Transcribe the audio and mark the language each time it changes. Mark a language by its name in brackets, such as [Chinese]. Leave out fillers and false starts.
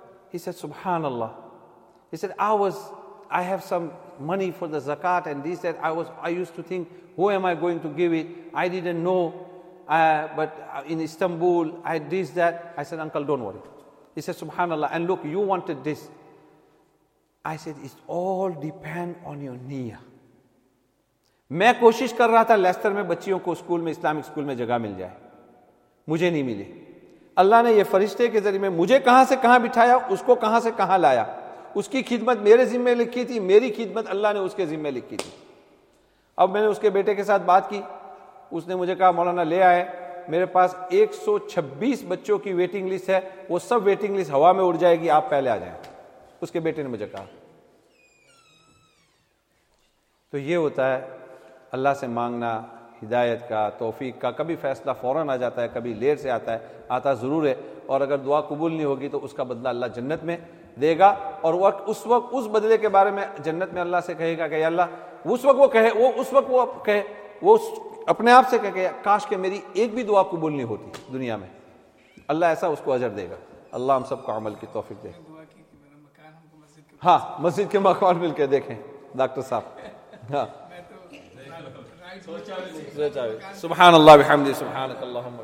[English] He said, Subhanallah. He said, I have some money for the zakat and this, that. I used to think, who am I going to give it? I didn't know. But in Istanbul, I had this, that. I said, uncle, don't worry. He said, Subhanallah. And look, you wanted this. I said, it all depends on your niyyah. [Hindi] मैं कोशिश कर रहा था Lester में बच्चियों को school में Islamic school में जगह मिल जाए, मुझे नहीं मिली. अल्लाह ने ये फरिश्ते के जरिए मुझे कहां से कहां बिठाया, उसको कहां से कहां लाया. उसकी खिदमत मेरे जिम्मे लिखी थी, मेरी खिदमत अल्लाह ने उसके जिम्मे लिखी थी. अब मैंने उसके बेटे के साथ बात की, उसने मुझे कहा, मौलाना ले आए, मेरे पास 126 बच्चों की वेटिंग लिस्ट है, वो सब वेटिंग लिस्ट हवा में उड़ जाएगी, आप पहले आ जाएं. उसके बेटे ने मुझे कहा. तो ये होता है अल्लाह से मांगना हिदायत का, तौफीक का. कभी फैसला फौरन आ जाता है, कभी लेर से आता है, आता ज़रूर है. और अगर दुआ कबूल नहीं होगी तो उसका बदला अल्लाह जन्नत में देगा. और वक्त उस वक्त उस बदले के बारे में जन्नत में अल्लाह से कहेगा कि अल्लाह, उस वक्त वो अपने आप से कहे काश के मेरी एक भी दुआ कबूल नहीं होती दुनिया में. अल्लाह ऐसा उसको अजर देगा. अल्लाह हम सबको अमल की तौफीक दे. हाँ, मस्जिद के मकान मिल के देखें डॉक्टर साहब. हाँ, [Arabic] سبحان الله بحمده سبحانك اللهم